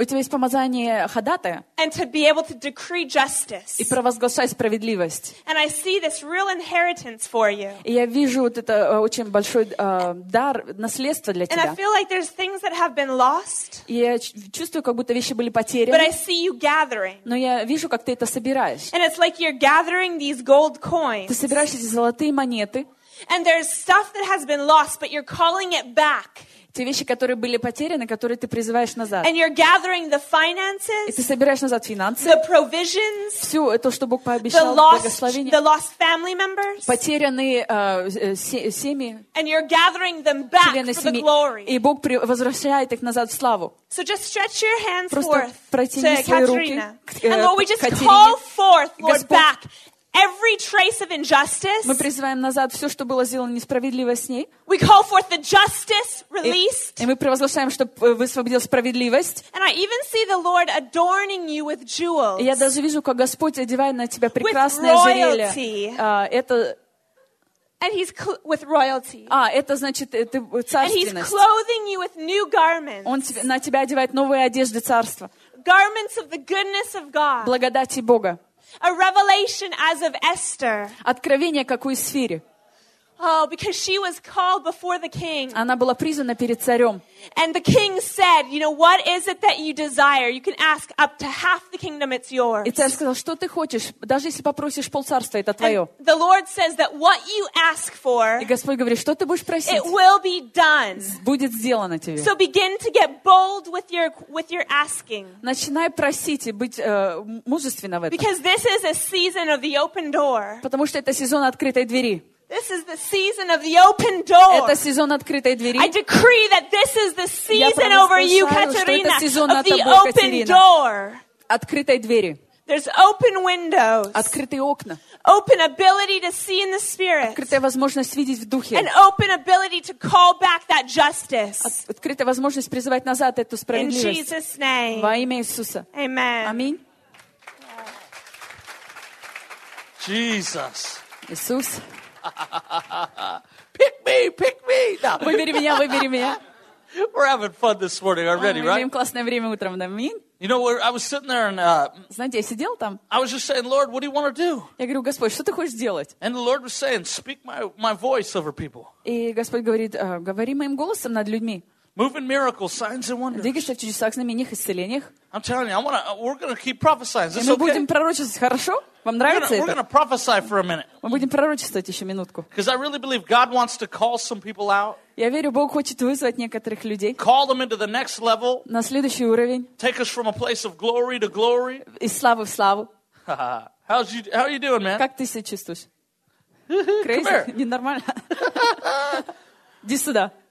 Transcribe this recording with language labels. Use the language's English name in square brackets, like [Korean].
[Russian] У тебя есть помазание ходатая. [English] And to be able to decree justice. [Russian] И провозглашать справедливость. [English] And I see this real inheritance for you. [Russian] И я вижу вот это очень большой дар, наследство для тебя. [English] And I feel like there's things that have been lost. [Russian] И я чувствую, как будто вещи были потеряны. [English] But I see you gathering. [Russian] Но я вижу, как ты это собираешь. [English] And it's like you're gathering these gold coins. [Russian] Ты собираешь эти золотые монеты. [English] And there's stuff that has been lost, but you're calling it back. [Russian] Те вещи, которые были потеряны, которые ты призываешь назад. [English] And you're gathering the finances. [Russian] И ты собираешь назад финансы. [English] The provisions. [Russian] Все это, что Бог пообещал, благословение. [English] The lost family members. [Russian] Потерянные семьи. [English] And you're gathering them back for the glory. [Russian] И Бог возвращает их назад в славу. [English] So just stretch your hands [Russian] Просто [English] forth [Russian] протяни [English] to [Russian] свои руки, [English] And Lord, we just call forth, Lord, Господь, back. Every trace of injustice. [Russian] Мы призываем назад все, что было сделано несправедливо с ней. [English] We call forth the justice released. [Russian] И мы провозглашаем, что высвободил справедливость. [English] And I even see the Lord adorning you with jewels. [Russian] И я даже вижу, как Господь одевает на тебя прекрасное ожерелье. [English] With royalty. [Russian] Это [English] And he's with royalty. [Russian] А, это значит, ты царственность. [English] And he's clothing you with new garments. [Russian] Он на тебя одевает новые одежды царства. [English] Garments of the goodness of God. [Russian] Благодати Бога. [English] A revelation as of Esther. [Russian] Откровение, как у Эсфири. [English] Oh, because she was called before the king. [Russian] Она была призвана перед царем. [English] And the king said, you know, what is it that you desire? You can ask up to half the kingdom, it's yours. [Russian] И царь сказал, что ты хочешь? Даже если попросишь полцарства, это твое. [English] And the Lord says that what you ask for, [Russian] и Господь говорит, что ты будешь просить? [English] It will be done. [Russian] Будет сделано тебе. [English] So begin to get bold with your asking. [Russian] Начинай просить и быть мужественна в этом. [English] Because this is a season of the open door. [Russian] Потому что это сезон открытой двери. [English] This is the season of the open door. [Russian] Это сезон открытой двери. [English] I decree that this is the season over you, Катерина, of the open door. [Russian] Открытой двери. [English] There's open windows. [Russian] Открытые окна. [English] Open ability to see in the spirit. [Russian] Открытая возможность видеть в духе. [English] An open ability to call back that justice. [Russian] Открытая возможность призывать назад эту справедливость. [English] In Jesus' name. [Russian] Во имя Иисуса. [English] Amen. [Russian] Аминь. [English] Jesus. [Russian] Иисус. [English] Pick me. No. [Russian] Выбери меня. [English] We're having fun this morning already, right? [Russian] Мы имеем классное время утром, да? [English] You know, I was sitting there and [Russian] знаете, я сидел там. [English] I was just saying, Lord, what do you want to do? [Russian] Я говорю, Господь, что ты хочешь сделать? [English] And the Lord was saying, speak my voice over people. [Russian] И Господь говорит, говори моим голосом над людьми. [English] Moving miracles, signs and wonders. [Russian] Двигайся в чудесах, знамениях, исцелениях. [English] I'm telling you, we're going to keep prophesying. [Russian] Мы будем пророчествовать, хорошо? Вам нравится это? [English] We're going to prophesy for a minute. [Russian] Мы будем пророчествовать еще минутку. [English] Because I really believe God wants to call some people out. [Russian] Я верю, Бог хочет вызвать некоторых людей. [English] Call them into the next level. [Russian] На следующий уровень. [English] Take us from a place of glory to glory. [Russian] Из славы в славу. [English] How are you doing, man? [Russian] Как ты себя чувствуешь? [English] Crazy? [Russian] Ненормально? Иди сюда.